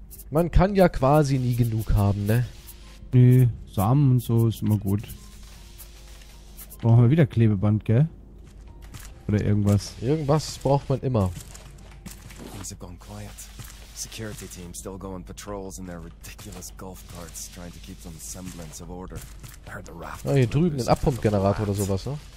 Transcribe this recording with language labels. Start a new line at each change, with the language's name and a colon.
German: Man kann ja quasi nie genug haben, ne? Nee, Samen und so ist immer gut. Brauchen wir wieder Klebeband, gell? Oder irgendwas? Irgendwas braucht man immer.
English: Things have gone quiet. Security team still going patrols in their ridiculous golf carts, trying to keep some semblance of order. I heard the raft.
German: Ja, hier drüben ein Abpumpgenerator oder sowas, ne?